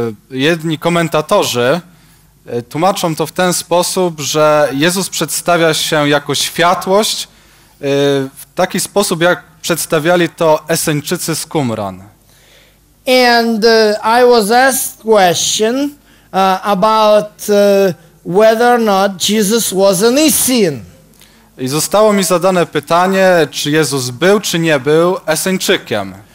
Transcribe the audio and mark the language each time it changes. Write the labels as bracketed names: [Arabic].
[Polish] Jedni komentatorzy tłumaczą to w ten sposób, że Jezus przedstawia się jako światłość w taki sposób, jak przedstawiali to Eseńczycy z Qumran. [English] And I was asked question about whether or not Jesus was an Essene. [Polish] I zostało mi zadane pytanie, czy Jezus był, czy nie był Eseńczykiem.